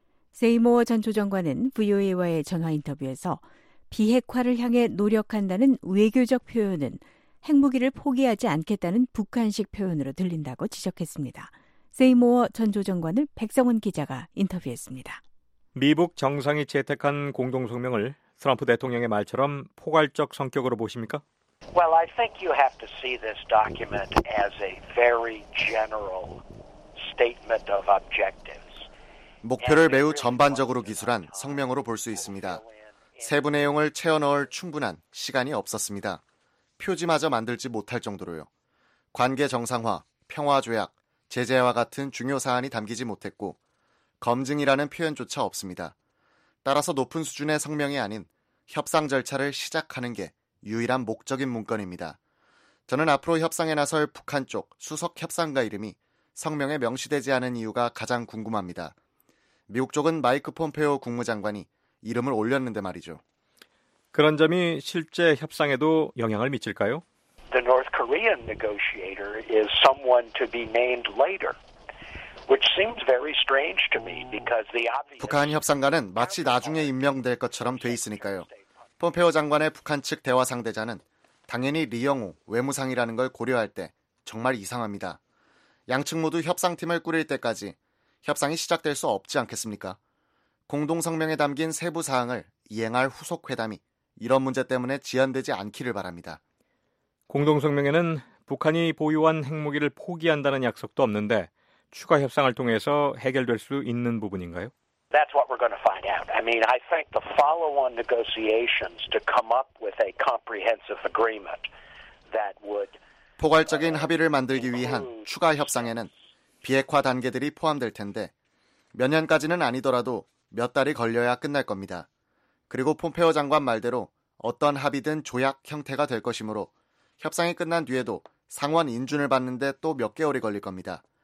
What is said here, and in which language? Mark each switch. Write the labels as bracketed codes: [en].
[ko] 세이머워 전 조정관은 VOA와의 전화 인터뷰에서 비핵화를 향해 노력한다는 외교적 표현은 핵무기를 포기하지 않겠다는 북한식 표현으로 들린다고 지적했습니다. 세이모어 전 조정관을 백성훈 기자가 인터뷰했습니다. 미북 정상이 채택한 공동성명을 트럼프 대통령의 말처럼 포괄적 성격으로 보십니까? [en] Well, I think you have to see this document as a very general statement of objectives. [ko] 목표를 매우 전반적으로 기술한 성명으로 볼 수 있습니다. 세부 내용을 채워넣을 충분한 시간이 없었습니다. 표지마저 만들지 못할 정도로요. 관계 정상화, 평화 조약, 제재와 같은 중요 사안이 담기지 못했고 검증이라는 표현조차 없습니다. 따라서 높은 수준의 성명이 아닌 협상 절차를 시작하는 게 유일한 목적인 문건입니다. 저는 앞으로 협상에 나설 북한 쪽 수석 협상가 이름이 성명에 명시되지 않은 이유가 가장 궁금합니다. 미국 쪽은 마이크 폼페오 국무장관이 이름을 올렸는데 말이죠. 그런 점이 실제 협상에도 영향을 미칠까요? [en] The North Korean negotiator is someone to be named later, which seems very strange to me because the obvious. [ko] 북한 협상가는 마치 나중에 임명될 것처럼 돼 있으니까요. 폼페오 장관의 북한 측 대화 상대자는 당연히 리영우 외무상이라는 걸 고려할 때 정말 이상합니다. 양측 모두 협상팀을 꾸릴 때까지 협상이 시작될 수 없지 않겠습니까? 공동성명에 담긴 세부 사항을 이행할 후속 회담이 이런 문제 때문에 지연되지 않기를 바랍니다. 공동성명에는 북한이 보유한 핵무기를 포기한다는 약속도 없는데 추가 협상을 통해서 해결될 수 있는 부분인가요? [en] That's what we're going to find out. I mean, I think the follow-on negotiations to come up with a comprehensive agreement that would [ko] 포괄적인 합의를 만들기 위한 추가 협상에는 비핵화 단계들이 포함될 텐데 몇 년까지는 아니더라도 몇 달이 걸려야 끝날 겁니다. 그리고 폼페오 장관 말대로 어떤 합의든 조약 형태가 될 것이므로 협상이 끝난 뒤에도 상원 인준을 받는데 또 몇 개월이 걸릴 겁니다.